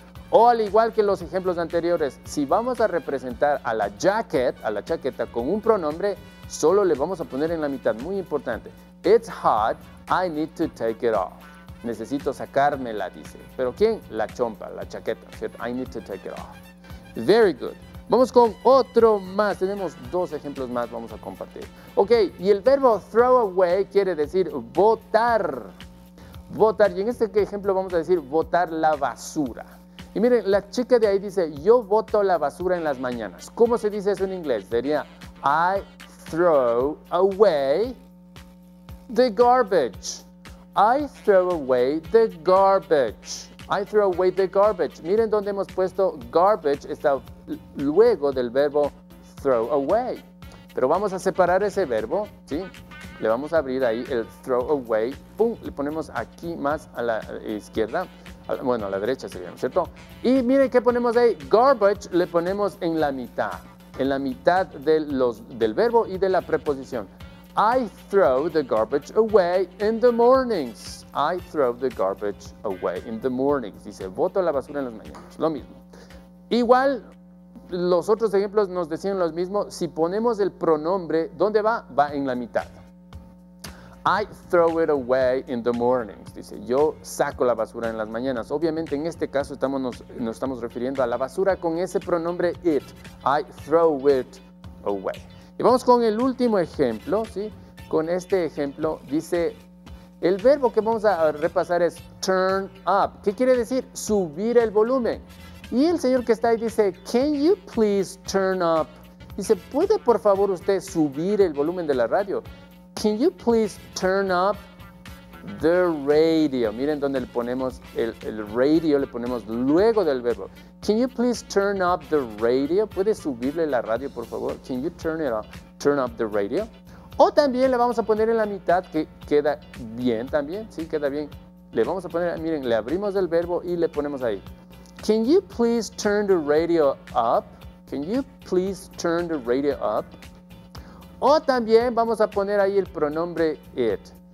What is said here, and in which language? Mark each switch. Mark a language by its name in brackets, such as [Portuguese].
[Spanish] O al igual que los ejemplos anteriores, si vamos a representar a la jacket, a la chaqueta, con un pronombre, solo le vamos a poner en la mitad. Muy importante. [English] It's hot, I need to take it off. [Spanish] Necesito sacármela, dice. ¿Pero quién? La chompa, la chaqueta. [English] I need to take it off. Very good. [Spanish] Vamos con otro más. Tenemos dos ejemplos más, vamos a compartir. Ok, y el verbo throw away quiere decir botar. Botar, y en este ejemplo vamos a decir botar la basura. Y miren, la chica de ahí dice, yo boto la basura en las mañanas. ¿Cómo se dice eso en inglés? Sería, [English] I throw away the garbage. I throw away the garbage. I throw away the garbage. [Spanish] Miren dónde hemos puesto garbage, está luego del verbo throw away. Pero vamos a separar ese verbo, ¿sí? Le vamos a abrir ahí el throw away. ¡Pum! Le ponemos aquí más a la izquierda. Bueno, a la derecha sería, ¿no es cierto? Y miren qué ponemos ahí. Garbage le ponemos en la mitad. En la mitad del verbo y de la preposición. [English] I throw the garbage away in the mornings. I throw the garbage away in the mornings. [Spanish] Dice, boto la basura en las mañanas. Lo mismo. Igual, los otros ejemplos nos decían lo mismo. Si ponemos el pronombre, ¿dónde va? Va en la mitad. [English] I throw it away in the mornings. [Spanish] Dice, yo saco la basura en las mañanas. Obviamente, en este caso, nos estamos refiriendo a la basura con ese pronombre it. [English] I throw it away. [Spanish] Y vamos con el último ejemplo, ¿sí? Con este ejemplo, dice, el verbo que vamos a repasar es turn up. ¿Qué quiere decir? Subir el volumen. Y el señor que está ahí dice, [English] can you please turn up? [Spanish] Dice, ¿puede por favor usted subir el volumen de la radio? [English] Can you please turn up the radio? [Spanish] Miren dónde le ponemos el radio, le ponemos luego del verbo. [English] Can you please turn up the radio? [Spanish] ¿Puede subirle la radio, por favor? [English] Can you turn it up, turn up the radio? [Spanish] O también le vamos a poner en la mitad, que queda bien también, sí, queda bien. Le vamos a poner, miren, le abrimos el verbo y le ponemos ahí. [English] Can you please turn the radio up? Can you please turn the radio up? [Spanish] O también vamos a poner ahí el pronombre it.